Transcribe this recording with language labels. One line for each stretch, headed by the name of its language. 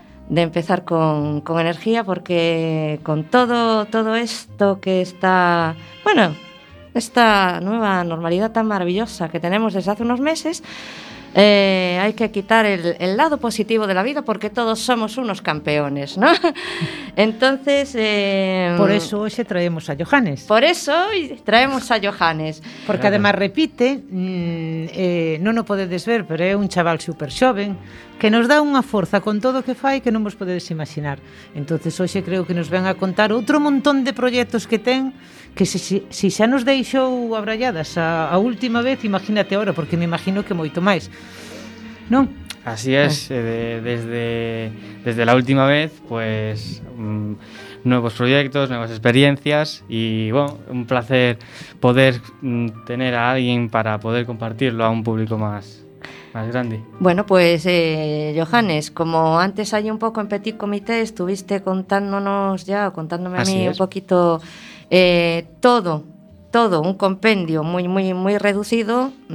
Spanish: de empezar con energía, porque con todo esto que está, bueno, esta nueva normalidad tan maravillosa que tenemos desde hace unos meses, hay que quitar el lado positivo de la vida, porque todos somos unos campeones, ¿no? Entonces, por eso hoy traemos a Johannes. Por eso hoy traemos a Johannes.
Galician: Porque claro, además repite, non o podedes ver, pero é un chaval super xoven que nos dá unha forza con todo o que fai que non vos podedes imaginar. Entonces hoxe creo que nos ven a contar outro montón de proxectos que ten, que se xa nos deixou abralladas a última vez, imagínate ahora, porque me imagino que moito máis, non?
Spanish: Así es, desde la última vez, pues nuevos proyectos, nuevas experiencias y bueno, un placer poder tener a alguien para poder compartirlo a un público más grande. Bueno, pues Johannes, como antes hay un poco en Petit Comité, estuviste contándonos ya, contándome así a mí es. Un poquito todo, un compendio muy, muy, muy reducido.